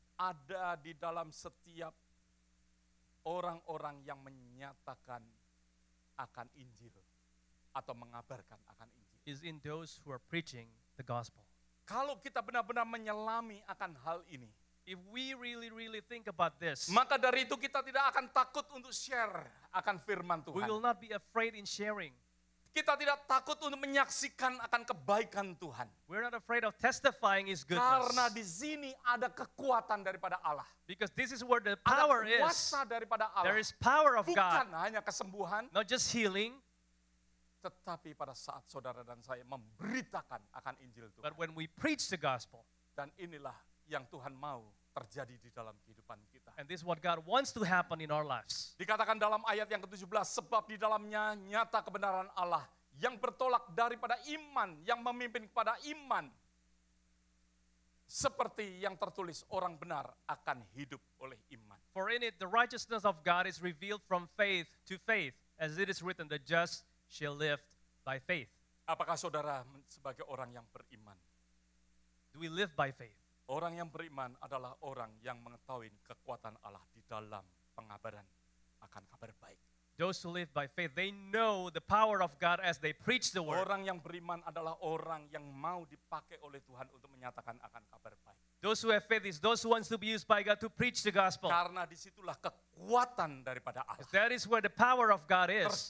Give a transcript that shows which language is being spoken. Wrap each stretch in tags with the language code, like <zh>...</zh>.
<id>ada di dalam setiap orang-orang yang menyatakan akan Injil atau mengabarkan akan Injil.</id> <en>Is in those who are preaching the gospel.</en> <id>Kalau kita benar-benar menyelami akan hal ini.</id> <en>If we really think about this,</en> <id>maka dari itu kita tidak akan takut untuk share akan firman Tuhan.</id> <en>We will not be afraid in sharing.</en> <id>Kita tidak takut untuk menyaksikan akan kebaikan Tuhan.</id> <en>We're not afraid of testifying his goodness.</en> <id>Karena di sini ada kekuatan daripada Allah.</id> <en>Because this is where the power is.</en> <id>Ada kuasa daripada Allah.</id> <en>There is power of</en> <id>Bukan</id> <en>God.</en> <id>Bukan hanya kesembuhan.</id> <en>Not just healing.</en> <id>Tetapi pada saat saudara dan saya memberitakan akan Injil Tuhan.</id> <en>But when we preach the gospel.</en> <id>Dan inilah yang Tuhan mau terjadi di dalam kehidupan kita.</id> <en>And this is what God wants to happen in our lives.</en> <id>Dikatakan dalam ayat yang ke-17, sebab di dalamnya nyata kebenaran Allah yang bertolak daripada iman, yang memimpin kepada iman. Seperti yang tertulis, orang benar akan hidup oleh iman.</id> <en>For in it the righteousness of God is revealed from faith to faith, as it is written, the just shall live by faith.</en> <id>Apakah saudara sebagai orang yang beriman?</id> <en>Do we live by faith?</en> <id>Orang yang beriman adalah orang yang mengetahui kekuatan Allah di dalam pengabaran akan kabar baik.</id> <en>Those who live by faith, they know the power of God as they preach the word.</en> <id>Orang yang beriman adalah orang yang mau dipakai oleh Tuhan untuk menyatakan akan kabar baik.</id> <en>Those who have faith is those who wants to be used by God to preach the gospel.</en> <id>Karena disitulah kekuatan daripada Allah.</id> <en>That is where the power of God is.</en>